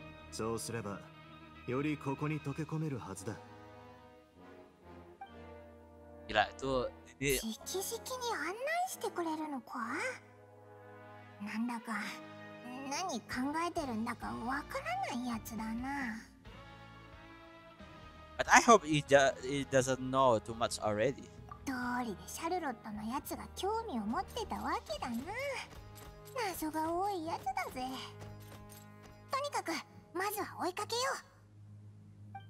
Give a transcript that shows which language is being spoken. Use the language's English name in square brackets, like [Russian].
[Japanese] そうすればよりここに溶け込めるはずだ。いや、と、で、直々に案内してくれるのか。なんだか何考えてるんだかわからないやつだな。 [English] But I hope he doesn't know too much already。 [Japanese] 通りでシャルロットのやつが興味を持ってたわけだな。謎が多いやつだぜ。とにかくまずは追いかけよう。